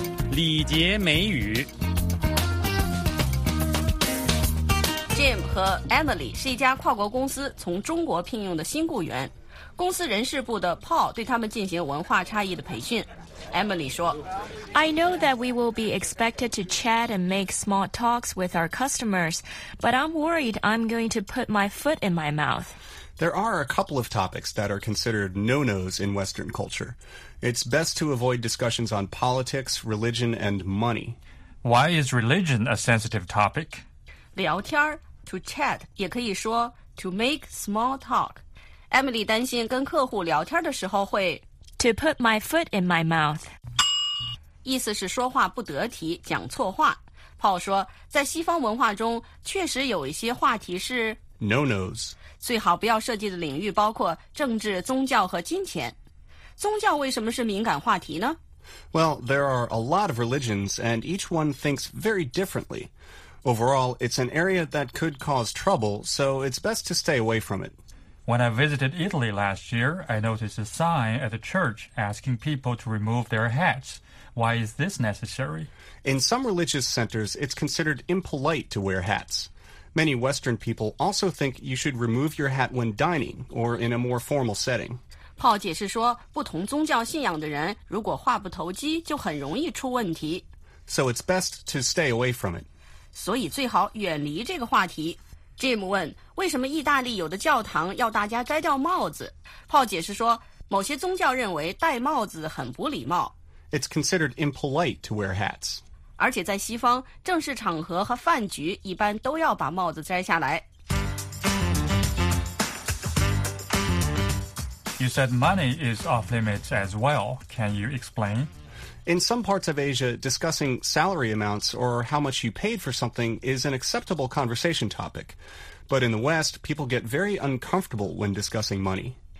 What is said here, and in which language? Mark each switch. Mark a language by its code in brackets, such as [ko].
[zh] 礼节美语。 Jim 和 Emily 是一家跨国公司从中国聘用的新雇员。公司人事部的 Paul 对他们进行文化差异的培训。 Emily 说 [en] I know that we will be expected to chat and make small talks with our customers, but I'm worried I'm going to put my foot in my mouth. There are a couple of topics that are considered no-nos in Western culture. It's best to avoid discussions on politics, religion, and money. Why is religion a sensitive topic? [zh] 聊天 [en] to chat, [zh] 也可以说 [en] to make small talk. [zh] Emily 担心跟客户聊天的时候会 [en] To put my foot in my mouth. [zh] 意思是说话不得体，讲错话。 Paul 说，在西方文化中，确实有一些话题是 [en] No-nos. [zh] 最好不要涉及的领域包括政治、宗教和金钱。宗教为什么是敏感话题呢？ [en] Well, there are a lot of religions, and each one thinks very differently. Overall, it's an area that could cause trouble, so it's best to stay away from it. When I visited Italy last year, I noticed a sign at the church asking people to remove their hats. Why is this necessary? In some religious centers, it's considered impolite to wear hats. Many Western people also think you should remove your hat when dining or in a more formal setting. [zh] Paul 解释说，不同宗教信仰的人如果话不投机，就很容易出问题。 [en] So it's best to stay away from it. [zh] 所以最好远离这个话题。Jim 问，为什么意大利有的教堂要大家摘掉帽子？ Paul 解释说，某些宗教认为戴帽子很不礼貌。 [en] It's considered impolite to wear hats. [zh] 而且在西方，正式场合和饭局一般都要把帽子摘下来。 [en] You said money is off limits as well. Can you explain? In some parts of Asia, discussing salary amounts or how much you paid for something is an acceptable conversation topic. But in the West, people get very uncomfortable when discussing money.